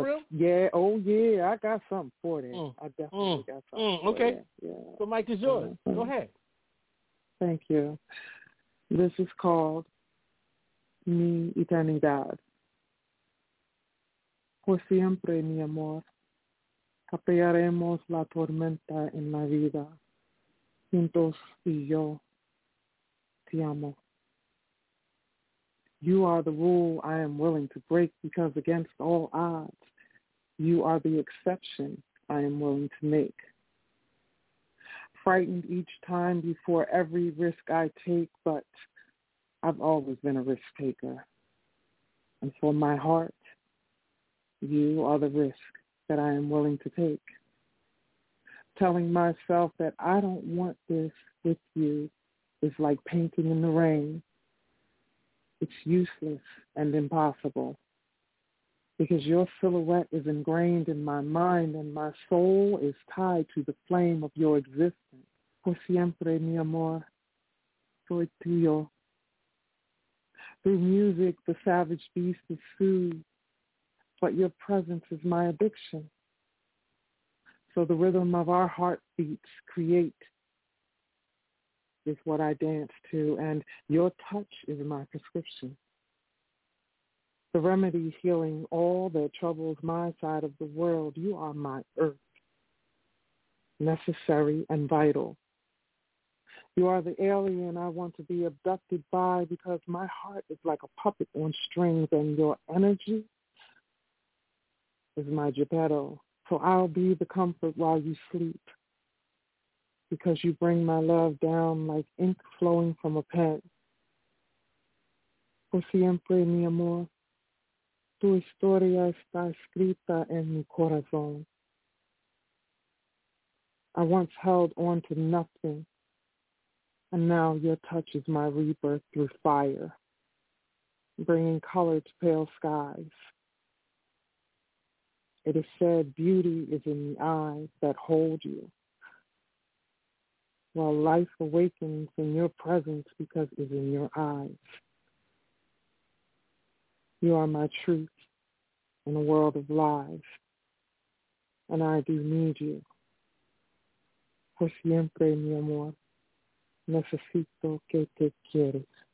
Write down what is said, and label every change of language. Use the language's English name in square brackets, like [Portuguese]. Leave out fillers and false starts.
[English] Yeah, I got something for that. Okay. Yeah. So Mike is yours. Go ahead. Thank you. This is called Mi Eternidad. [Spanish] Por siempre, mi amor, capearemos la tormenta en la vida. Juntos y yo, te amo. [English] You are the rule I am willing to break because against all odds, you are the exception I am willing to make. Frightened each time before every risk I take, but I've always been a risk taker. And for my heart, you are the risk that I am willing to take. Telling myself that I don't want this with you is like painting in the rain. It's useless and impossible because your silhouette is ingrained in my mind and my soul is tied to the flame of your existence. [Spanish] Por siempre, mi amor, soy tuyo. [English] Through music, the savage beast is soothed, but your presence is my addiction. So the rhythm of our heartbeats create is what I dance to, and your touch is my prescription. The remedy healing all that troubles my side of the world, you are my earth, necessary and vital. You are the alien I want to be abducted by because my heart is like a puppet on strings, and your energy is my Geppetto. So I'll be the comfort while you sleep. Because you bring my love down like ink flowing from a pen. [Spanish] Por siempre, mi amor, tu historia está escrita en mi corazón. [English] I once held on to nothing, and now your touch is my rebirth through fire, bringing color to pale skies. It is said beauty is in the eyes that hold you. While life awakens in your presence because it is in your eyes. You are my truth in a world of lies, and I do need you. [Spanish] Por siempre, mi amor, necesito que te quieras.